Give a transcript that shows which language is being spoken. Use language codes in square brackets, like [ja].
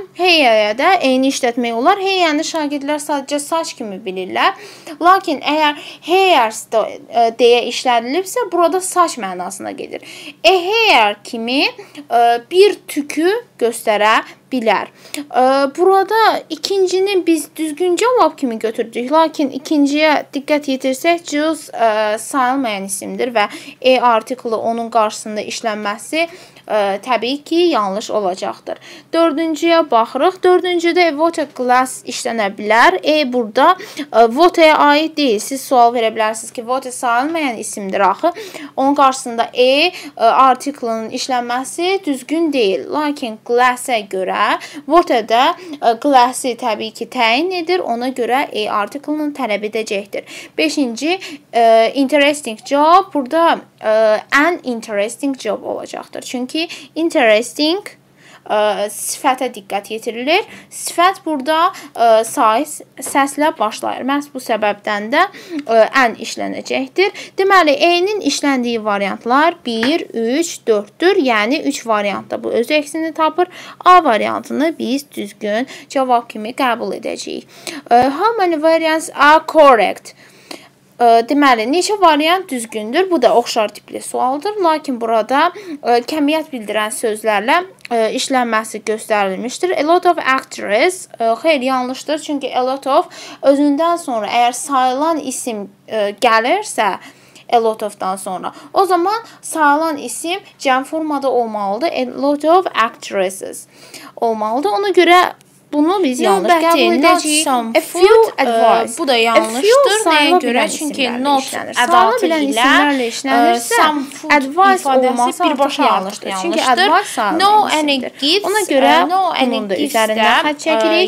[az] Heyəyə də eyni işlətmək olar. Heyəni şagirdlər sadəcə saç kimi bilirlər. Lakin əgər hairs deyə işlədilibsə, burada saç mənasına gedir. Hair kimi bir tükü göstərə bilər. Burada ikincini biz düzgün cavab kimi götürdük. Lakin ikinciyə diqqət yetirsək, juice sayılmayan isimdir və E artikli onun qarşısında işlənməsi təbii ki, yanlış olacaqdır. Dördüncüyə baxırıq. Dördüncüdə water glass işlənə bilər. E burada water-ə aid deyil. Siz sual verə bilərsiniz ki, water sayılmayan isimdir axı. Onun qarşısında E artiklinin işlənməsi düzgün deyil. Lakin glass-ə görə water-də glass-ı təbii ki, təyin edir. Ona görə E artiklinin tələb edəcəkdir. [en] Beşinci, interesting job. [az] Burada an interesting job olacaqdır. Çünki interesting sifətə diqqət yetirilir. Sifət burada size səslə başlayır. Məhz bu səbəbdən də an işlənəcəkdir. Deməli, E-nin işləndiyi variantlar 1, 3, 4-dür. Yəni, 3 variantda bu öz əksini tapır. A variantını biz düzgün cavab kimi qəbul edəcəyik. [en] How many variants are correct? [az] Deməli, neçə variant düzgündür? Bu da oxşar tipli sualdır. Lakin burada kəmiyyət bildirən sözlərlə işlənməsi göstərilmişdir. [en] A lot of actress. [az] Xeyr, yanlışdır. Çünki a lot of özündən sonra əgər sayılan isim gəlirsə, a lot of-dan sonra. O zaman sayılan isim cəm formada olmalıdır. [en] A lot of actresses [az] olmalıdır. Ona görə bunu biz yanlış qəbul edəcəyik. [en] A few advice. [az] Bu da yanlışdır. Nəyə görə? Çünki not adatı ilə some food ifadəsi birbaşa yanlışdır. Çünki advice [en] no any gifts. [az] Ona görə [en] no any gifts də